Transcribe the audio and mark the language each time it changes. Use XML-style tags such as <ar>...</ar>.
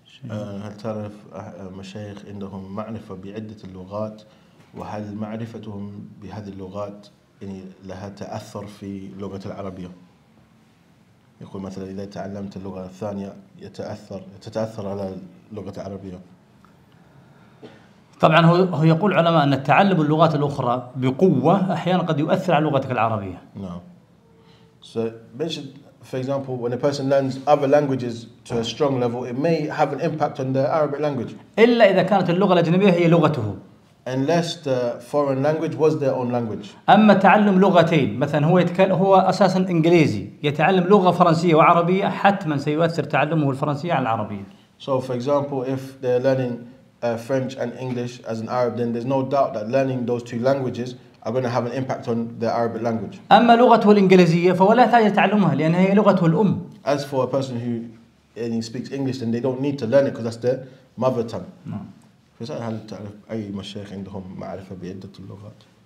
<ar>هل تعرف مشايخ عندهم معرفة بعدة اللغات وهل معرفتهم بهذه اللغات يعني لها تأثر في لغة العربية؟ يقول مثلا إذا تعلمت اللغة الثانية تتأثر على اللغة العربية. طبعا هو يقول علماء أن تعلم اللغات الأخرى بقوة أحيانا قد يؤثر على لغتك العربية.</ar> <en>No. So mentioned for example when a person learns other languages to a strong level it may have an impact on the Arabic language.</en> <ar>إلا إذا كانت اللغة الأجنبية هي لغته.</ar> <en>Unless the foreign language was their own language.</en> <ar>أما تعلم لغتين مثلا هو أساسا إنجليزي يتعلم لغة فرنسية وعربية حتما سيؤثر تعلمه الفرنسية على العربية.</ar> <en>So for example, if they're learning French and English as an Arab, then there's no doubt that learning those two languages are going to have an impact on the Arabic language.</en> <ar>أما لغته الإنجليزية فولا تحتاج تعلمها لأنها هي لغته الأم.</ar> <en>As for a person who speaks English, then they don't need to learn it because that's their mother tongue.</en> <ar>نعم. فسأل هل تعرف أي مشايخ عندهم معرفة بعدة اللغات؟</ar>